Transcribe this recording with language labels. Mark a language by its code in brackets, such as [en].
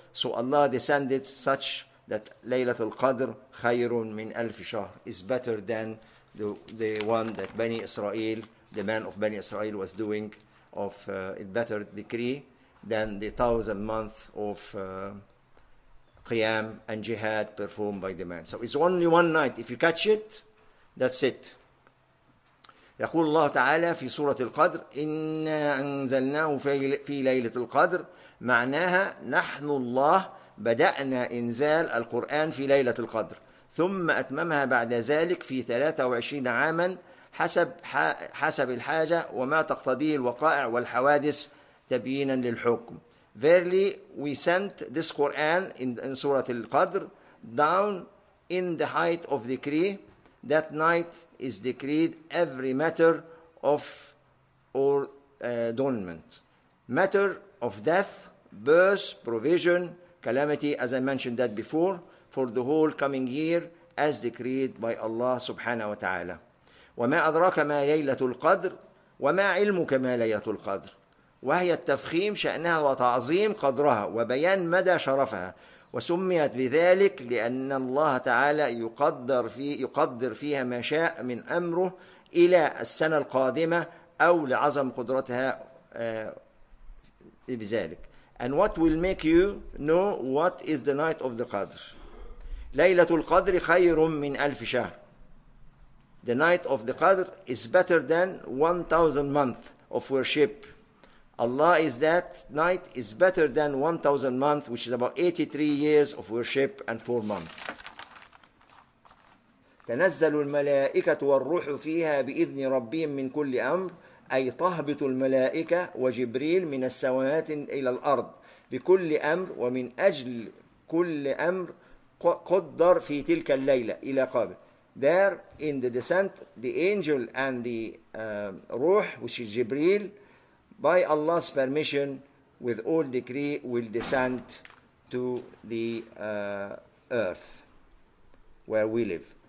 [en] So Allah descended such that [ar] Laylatul Qadr khayrun min alf shahr [en] is better than the one that Bani Israel, the man of Bani Israel, was doing of a better decree than the 1,000 months of Qiyam and Jihad performed by the man. So it's only one night. If you catch it, that's it. [ar] يقول الله تعالى في سورة القدر: إنا أنزلناه في ليلة القدر، معناها نحن الله بدأنا إنزال القرآن في ليلة القدر ثم أتممها بعد ذلك في 23 عاما حسب الحاجة وما تقتضيه الوقائع والحوادث تبيينا للحكم. [en] Verily we sent this Quran in سورة القدر down in the height of decree. That night is decreed every matter of or adornment, matter of death, birth, provision, calamity, as I mentioned that before, for the whole coming year, as decreed by Allah subhanahu wa ta'ala. [ar] وما أدراك ما ليلة القدر وما علمك ما ليلة القدر وهي التفخيم شأنها وتعظيم قدرها وبيان مدى شرفها وسميت بذلك لأن الله تعالى يقدر فيها ما شاء من أمره إلى السنة القادمة أو لعظم قدرتها بذلك. [en] And what will make you know what is the night of the Qadr? [ar] ليلة القدر خير من 1000 شهر. [en] The night of the Qadr is better than 1,000 months of worship. Allah is that night is better than 1,000 months, which is about 83 years of worship and 4 months. [ar] تنزل الملائكة والروح فيها بإذن ربهم من كل أمر، أي تهبط الملائكة وجبريل من السماوات إلى الأرض بكل أمر ومن أجل كل أمر قدر في تلك الليلة إلى قابل. [en] There in the descent, the angel and the ruh, which is Jibril, by Allah's permission, with all decree, will descend to the earth where we live.